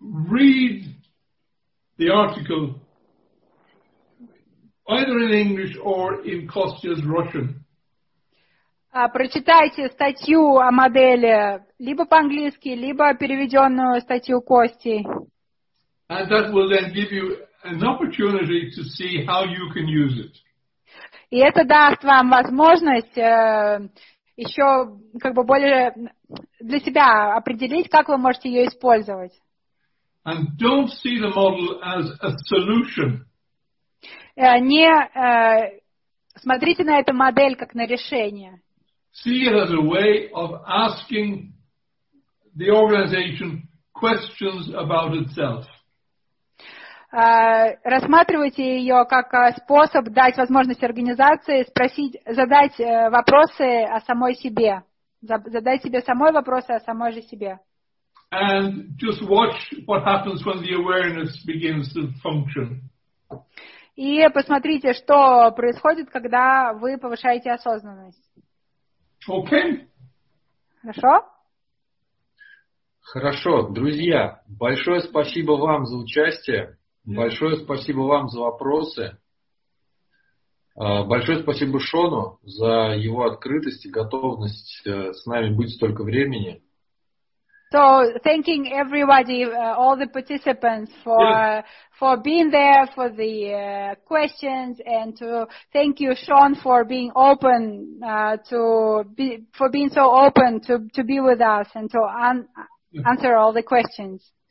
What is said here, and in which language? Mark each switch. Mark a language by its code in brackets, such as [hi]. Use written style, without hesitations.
[en] Read the article either in English or in Kostya's Russian. [ru] Прочитайте статью о модели либо по-английски, либо переведенную статью Кости. [en] And that will then give you an opportunity to see how you can use it. [ru] И это даст вам возможность еще как бы более для себя определить, как вы можете ее использовать. [en] And don't see the model as a solution. [ru] Не смотрите на эту модель как на решение. [en] See it as a way of asking the organization questions about itself. [ru] Рассматривайте ее как способ дать возможность организации спросить, задать вопросы о самой себе. Задать себе самой вопросы о самой же себе. [en] And just watch what happens when the awareness begins to function. [ru] И посмотрите, что происходит, когда вы повышаете осознанность. [en] Okay. [ru] Хорошо? Хорошо, друзья, большое спасибо вам за участие, большое спасибо вам за вопросы, большое спасибо Шону за его открытость и готовность с нами быть столько времени. [en] So, thanking everybody, all the participants for being there, for the questions, and to thank you, Sean, for being open to be with us and to answer all the questions.